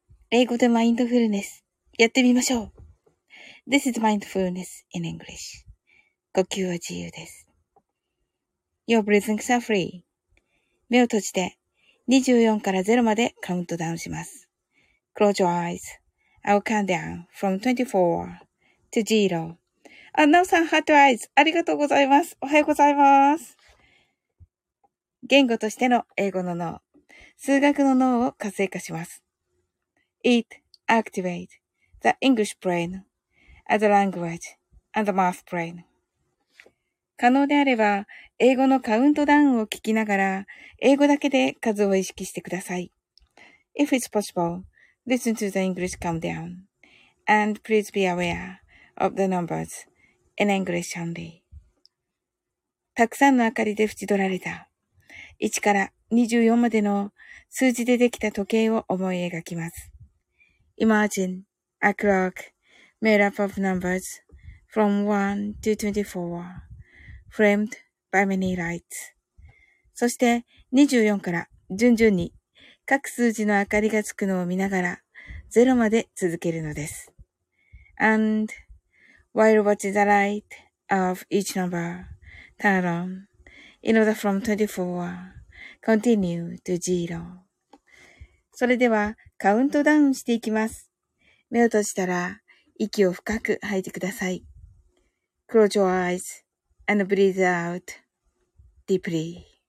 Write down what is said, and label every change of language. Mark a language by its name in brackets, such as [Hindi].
[Japanese] 英語でマインドフルネス、やってみましょう。 [English] This is mindfulness in English. [Japanese] 呼吸は自由です。 [English] Your breathing is free. [Japanese] 目を閉じて、24から0までカウントダウンします。 [English] Close your eyes. I'll count down from 24 to 0. [Japanese] あ、なおさん、ハートアイズ、ありがとうございます。おはようございます。言語としての英語の脳、数学の脳を活性化します。 [English] It activates the English brain as a language and the math brain. [Japanese] 可能であれば、英語のカウントダウンを聞きながら、英語だけで数を意識してください。 [English] If it's possible, listen to the English countdown. And please be aware of the numbers. In English only. [Japanese] たくさんの明かりで縁取られた1から24までの数字でできた時計を思い描きます。 [English] Imagine a clock made up of numbers from 1 to 24 framed by many lights. [Japanese] そして24から順々に各数字の明かりがつくのを見ながら0まで続けるのです。 [English] AndWhile watching the light of each number turn on in order from 24 continue to zero. [Japanese] それではカウントダウンしていきます。目を閉じたら息を深く吐いてください。 [English] Close your eyes and breathe out deeply.